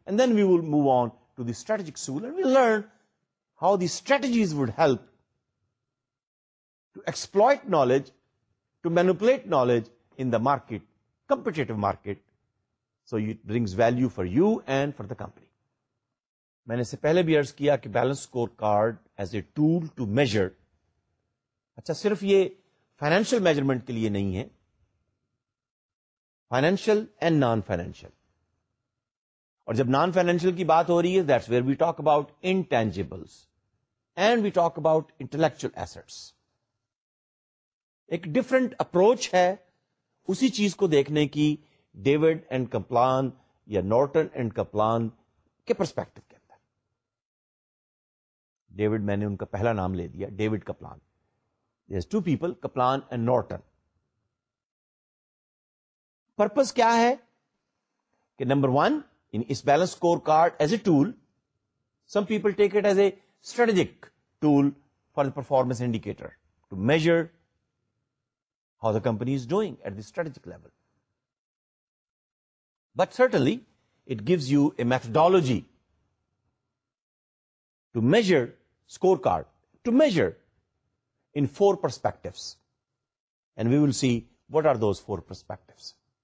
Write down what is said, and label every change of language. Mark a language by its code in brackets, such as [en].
[en] And then we will move on to the strategic school and we'll learn how these strategies would help to exploit knowledge, to manipulate knowledge in the market, competitive market, so it brings value for you and for the company. [ur] میں نے اس سے پہلے بھی عرض کیا کہ balance score called [en] as a tool to measure [ur] اچھا صرف یہ فائنینشیل میجرمنٹ کے لیے نہیں ہے فائنینشیل اینڈ نان فائنینشیل اور جب نان فائنینشیل کی بات ہو رہی ہے [en] that's where we talk about intangibles and we talk about intellectual assets [ur] ایک ڈفرنٹ اپروچ ہے اسی چیز کو دیکھنے کی ڈیوڈ اینڈ کپلان یا نورٹن اینڈ کپلان کے پرسپیکٹو کے اندر ڈیوڈ میں نے ان کا پہلا نام لے دیا David Kaplan [en] there's two people [ur] Kaplan and Norton purpose کیا ہے کہ [en] Number one in اس balance scorecard as a tool some people take it as a strategic tool for the performance indicator to measure how the company is doing at the strategic level. But certainly, it gives you a methodology to measure scorecard, to measure in four perspectives. And we will see what are those four perspectives.